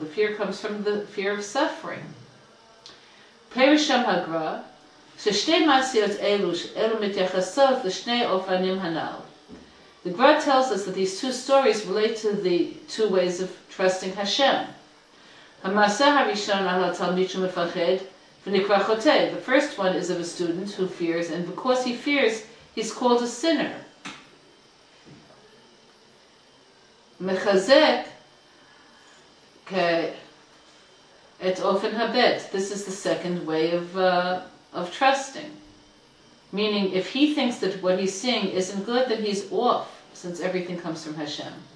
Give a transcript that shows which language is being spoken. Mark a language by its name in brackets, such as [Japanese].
[English] The fear comes from the fear of suffering. [Hebrew] Perisham ha'gra, ששתי מעשיות אלו מתייחסות לשני אופנים הנ"ל. [English] The Gra tells us that these two stories relate to the two ways of trusting Hashem. [Hebrew] המעשה הראשון על התלמיד שמפחד ונקרא חוטא. [English] The first one is of a student who fears, and because he fears, he's called a sinner. [Hebrew] מחזק את אופן הבית. [English] This is the second way of trusting. Meaning, if he thinks that what he's seeing isn't good, then he's off, since everything comes from Hashem.